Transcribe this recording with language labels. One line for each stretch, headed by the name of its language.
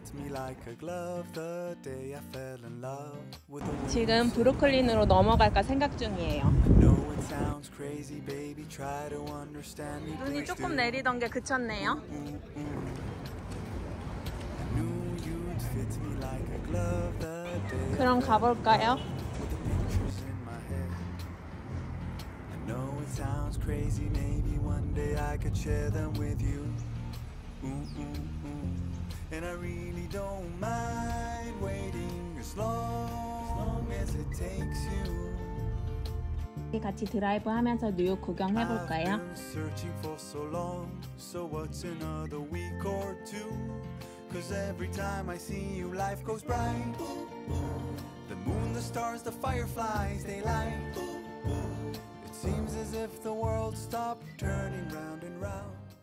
English: Like a glove, the day I fell in love with a woman.
Korean: 지금 브루클린으로 넘어갈까 생각 중이에요.
English: No, it sounds crazy, baby. Try to understand me.
Korean: 눈이 조금 내리던 게 그쳤네요.
English: I knew you'd fit me like a glove, the day.
Korean: 그럼 가볼까요?
English: I know it sounds crazy, maybe one day I could share them with you. And I really don't mind waiting as long as it takes you.
Korean: 우리 같이 드라이브 하면서 뉴욕 구경해 볼까요?
English: I've been searching for so long, so what's another week or two? 'Cause every time I see you, life goes bright. The moon, the stars, the fireflies, they light. It seems as if the world stopped turning round and round.